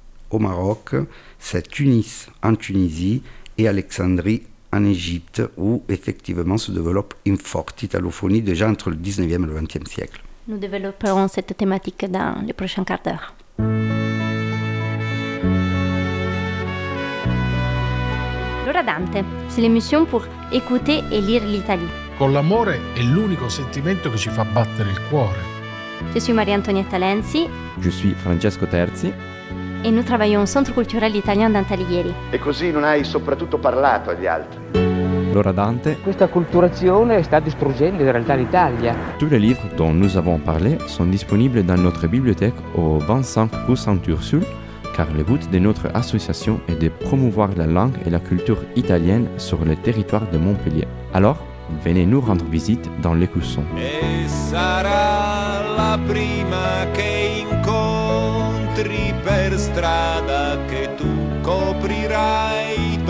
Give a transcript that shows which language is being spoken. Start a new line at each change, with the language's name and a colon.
French: au Maroc, c'est Tunis en Tunisie et Alexandrie en Égypte, où effectivement se développe une forte italophonie déjà entre le 19e et le 20e siècle. Nous développerons cette thématique dans les prochains quarts d'heure. L'ora Dante, c'est l'émission pour écouter et lire l'Italie.
Italian: Con l'amore è l'unico sentimento che ci fa battere il cuore.
French: Je suis Maria Antonietta Lenzi. Je suis Francesco Terzi.
Italian: E noi lavoriamo al Centro Culturale Italiano Dante Alighieri. E così non hai soprattutto parlato agli altri. L'ora Dante. Questa acculturazione sta distruggendo in realtà l'Italia. Tutti i libri
French: dont nous avons parlé sont disponibles dans notre bibliothèque au 25 rue Saint-Ursule, car le but de notre association est de promouvoir la langue et la culture italienne sur le territoire de Montpellier. Alors, venez nous rendre visite dans l'Écusson.
Italian: E sarà la prima che incontri per strada che tu coprirai.